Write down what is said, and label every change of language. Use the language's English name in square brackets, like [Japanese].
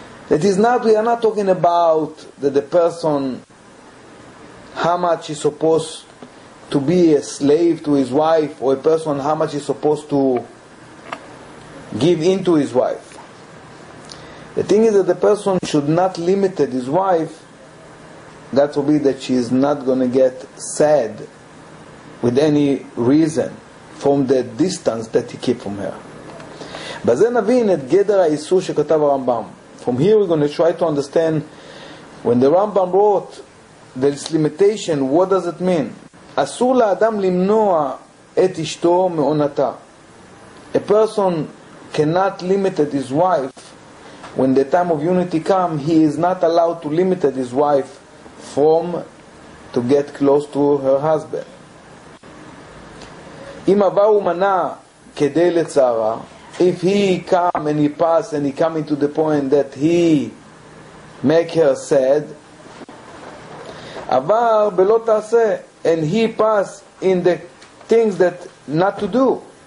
[English] It is not, we are not talking about that the person, how much he's supposed to be a slave to his wife, or a person how much he's supposed to give in to his wife. The thing is that the person should not limit his wife. That will be that she is not going to get sad with any reason from the distance that he keep from her. But then נבין את גדר האיסור שכתב הרמב״ם. From here we're going to try to understand, when the Rambam wrote this limitation, what does it mean? [Hebrew] אסור לאדם למנוע את אשתו מעונתה. [English] A person cannot limit his wife. When the time of unity comes, he is not allowed to limit his wife from to get close to her husband. אם עבר ומנה כדי לצערה, if he come and he pass and he come into the point that he make her sad, avar belo ta'ase, and he pass in the things that not to do.